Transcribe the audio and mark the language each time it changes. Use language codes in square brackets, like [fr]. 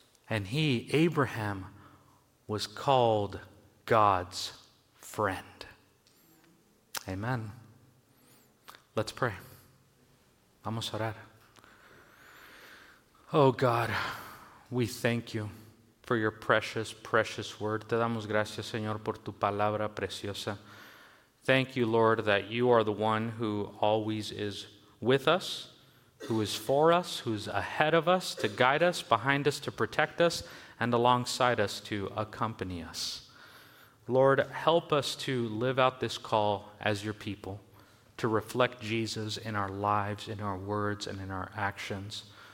[en] And he, Abraham, was called God's friend. Amen. Let's pray. [es] Vamos a orar. [en] Oh God, we thank you for your precious, precious word. [es] Te damos gracias, Señor, por tu palabra preciosa. [en] Thank you, Lord, that you are the one who always is with us, who is for us, who's ahead of us, to guide us, behind us, to protect us, and alongside us to accompany us. Lord, help us to live out this call as your people, to reflect Jesus in our lives, in our words, and in our actions.